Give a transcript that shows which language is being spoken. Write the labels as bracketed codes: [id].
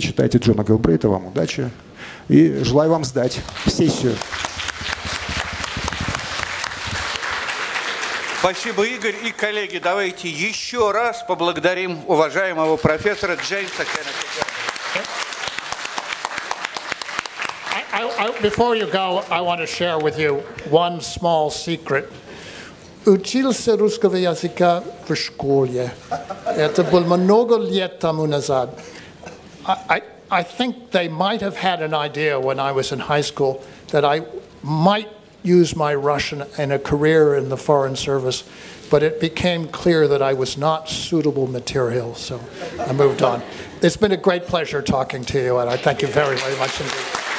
[ru] Читайте Джона Гэлбрэйта, вам удачи. И желаю вам сдать сессию. Спасибо, Игорь. И, коллеги, давайте еще раз поблагодарим уважаемого профессора Джеймса Кеннета. [en] Before you go, I want to share with you one small secret. [ru] Учился русского языка в школе. Это был много лет тому назад. [en] I think they might have had an idea when I was in high school that I might use my Russian in a career in the foreign service, but it became clear that I was not suitable material, so I moved on. It's been a great pleasure talking to you, and I thank you very, very much indeed.